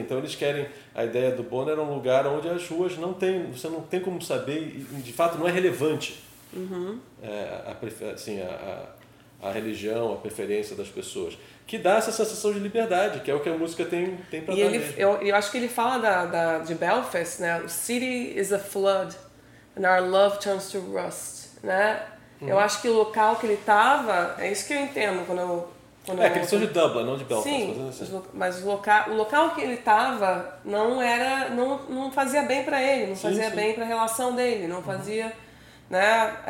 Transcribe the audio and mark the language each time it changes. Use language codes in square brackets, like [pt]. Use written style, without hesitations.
[pt] Então eles querem, a ideia do Bono era um lugar onde as ruas não tem, você não tem como saber, e de fato não é relevante. Uhum. Assim, a religião, a preferência das pessoas. Que dá essa sensação de liberdade, que é o que a música tem pra dar. Ele, eu acho que ele fala de Belfast, né? [en] City is a flood and our love turns to rust, né? [pt] Eu acho que o local que ele tava, é isso que eu entendo quando eu... É, que eles são de Dublin, não de Belfast. Sim, mas o local que ele estava não fazia bem para ele, não fazia bem para a relação dele, não fazia, né?